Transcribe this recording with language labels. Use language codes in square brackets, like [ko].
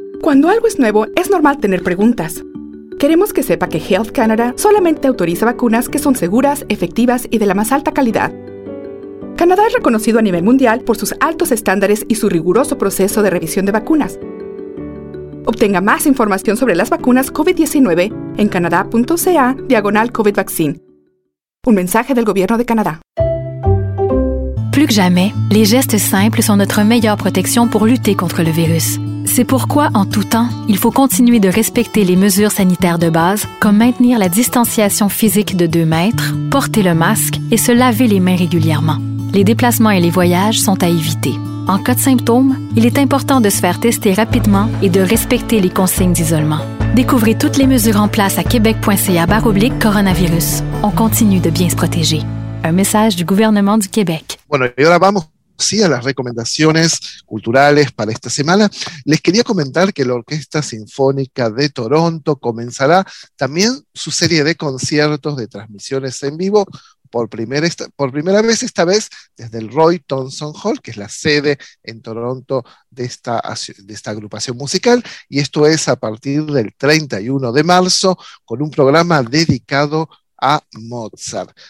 [es] Cuando algo es nuevo, es normal tener preguntas. Queremos que sepa que Health Canada solamente autoriza vacunas que son seguras, efectivas y de la más alta calidad. Canadá es reconocido a nivel mundial por sus altos estándares y su riguroso proceso de revisión de vacunas. Obtenga más información sobre las vacunas COVID-19 en canada.ca/COVID-vaccine. Un mensaje del Gobierno de Canadá. [fr] Plus que jamais, les gestes simples sont notre meilleure protection pour lutter contre le virus. C'est pourquoi, en tout temps, il faut continuer de respecter les mesures sanitaires de base, comme maintenir la distanciation physique de 2 mètres, porter le masque et se laver les mains régulièrement. Les déplacements et les voyages sont à éviter. En cas de symptômes, il est important de se faire tester rapidement et de respecter les consignes d'isolement. Découvrez toutes les mesures en place à québec.ca/coronavirus. On continue de bien se protéger. Un message du gouvernement du Québec. [es] Bueno, y ahora vamos, sí, a las recomendaciones culturales para esta semana. Les quería comentar que la Orquesta Sinfónica de Toronto comenzará también su serie de conciertos de transmisiones en vivo por primera vez esta vez desde el Roy Thomson Hall, que es la sede en Toronto de esta agrupación musical, y esto es a partir del 31 de marzo con un programa dedicado a Mozart.